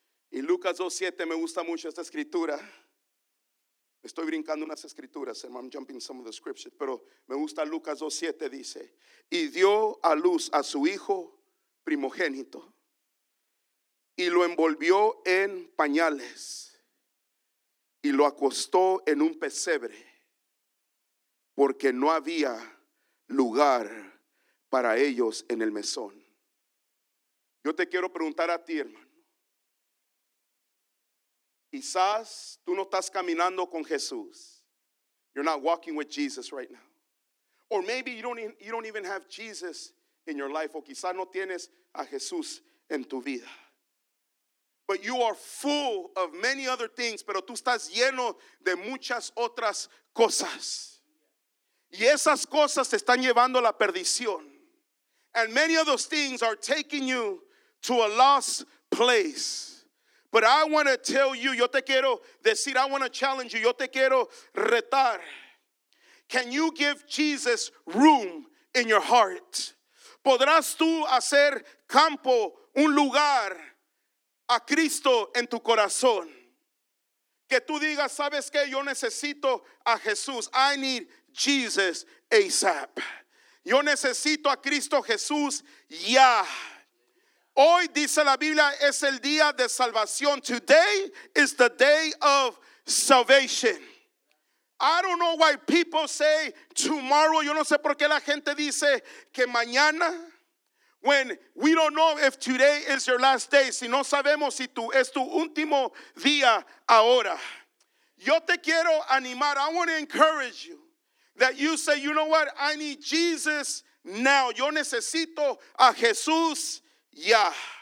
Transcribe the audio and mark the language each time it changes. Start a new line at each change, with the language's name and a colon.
Spanish: Y Lucas 2:7, me gusta mucho esta escritura. Estoy brincando unas escrituras,
English: I'm jumping some of the scriptures,
Spanish: pero me gusta Lucas 2:7, dice, y dio a luz a su hijo primogénito y lo envolvió en pañales y lo acostó en un pesebre porque no había lugar para ellos en el mesón. Yo te quiero preguntar a ti, hermano. Quizás tú no estás caminando con Jesús.
English: You're not walking with Jesus right now. Or maybe you don't even have Jesus in your life.
Spanish: O quizás no tienes a Jesús en tu vida.
English: But you are full of many other things.
Spanish: Pero tú estás lleno de muchas otras cosas. Y esas cosas te están llevando a la perdición.
English: And many of those things are taking you to a lost place. But I want to tell you,
Spanish: yo te quiero decir,
English: I want to challenge you,
Spanish: yo te quiero retar.
English: Can you give Jesus room in your heart?
Spanish: ¿Podrás tú hacer campo, un lugar a Cristo en tu corazón? Que tú digas, ¿sabes qué? Yo necesito a Jesús.
English: I need Jesus ASAP.
Spanish: Yo necesito a Cristo Jesús ya. Hoy, dice la Biblia, es el día de salvación.
English: Today is the day of salvation. I don't know why people say tomorrow.
Spanish: Yo no sé por qué la gente dice que mañana.
English: When we don't know if today is your last day.
Spanish: Si no sabemos si tú es tu último día ahora. Yo te quiero animar.
English: I want to encourage you. That you say, you know what? I need Jesus now.
Spanish: Yo necesito a Jesús
English: now. Yeah.